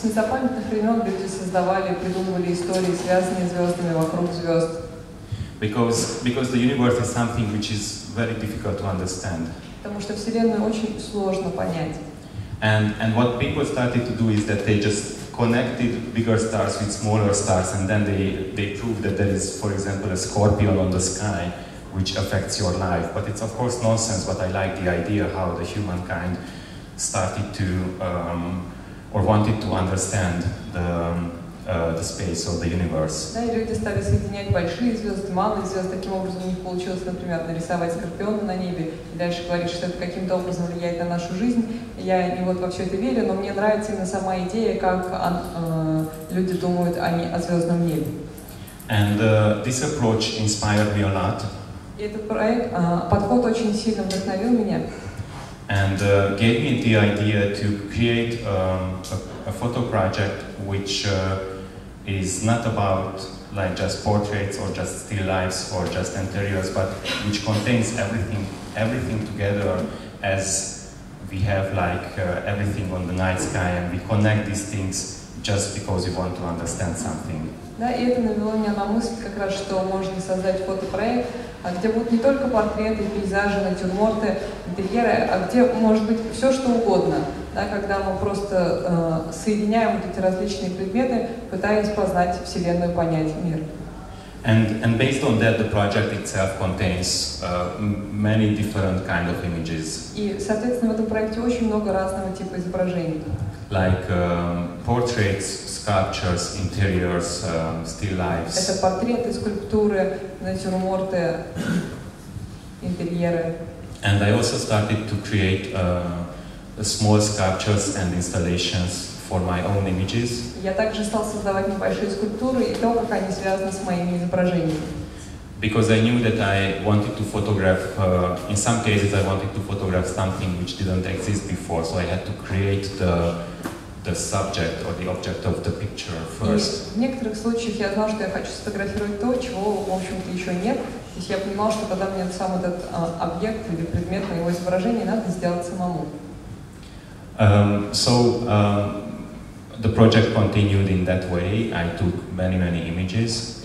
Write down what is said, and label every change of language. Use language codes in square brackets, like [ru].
[ru] С незапамятных времен люди создавали, придумывали истории, связанные с звездами, вокруг звезд. [en] Because the universe is something which is very difficult to understand. [ru] Потому что Вселенную очень сложно понять. [en] And what people started to do is that they just connected bigger stars with smaller stars, and then they proved that there is, for example, a scorpion on the sky, which affects your life. But it's of course nonsense, but I like the idea how the humankind started to or wanted to understand the space or the universe. [ru] Да, и люди стали соединять большие звезды, малые звезды. Таким образом, у них получилось, например, нарисовать скорпиона на небе и дальше говорить, что это каким-то образом влияет на нашу жизнь. Я не вот вообще это верю, но мне нравится именно сама идея, как люди думают о звездном небе. [en] And this approach inspired me a lot. [ru] И этот проект, подход очень сильно вдохновил меня. [en] And gave me the idea to create a photo project which is not about like just portraits or just still lifes or just interiors, but which contains everything together as we have like everything on the night sky, and we connect these things just because we want to understand something. [ru] Да, и это навело меня на мысль как раз, что можно создать фотопроект, где будут не только портреты, пейзажи, натюрморты, интерьеры, а где может быть все что угодно, да, когда мы просто соединяем вот эти различные предметы, пытаясь познать Вселенную, понять мир. [en] And based on that, the project itself contains many different kind of images. [ru] И, соответственно, в этом проекте очень много разного типа изображений. [en] Like portraits, sculptures, interiors, still lifes. [ru] Это портреты, скульптуры, натюрморты, интерьеры. [en] And I also started to create small sculptures and installations for my own images. [ru] Я также стал создавать небольшие скульптуры и то, как они связаны с моими изображениями. [en] Because I knew that I wanted to photograph, in some cases I wanted to photograph something which didn't exist before, so I had to create the subject or the object of the picture first. [ru] И в некоторых случаях я знал, что я хочу сфотографировать то, чего, в общем-то, еще нет. То есть я понимал, что когда мне сам этот объект или предмет моего изображения надо сделать самому. [en] The project continued in that way. I took many images.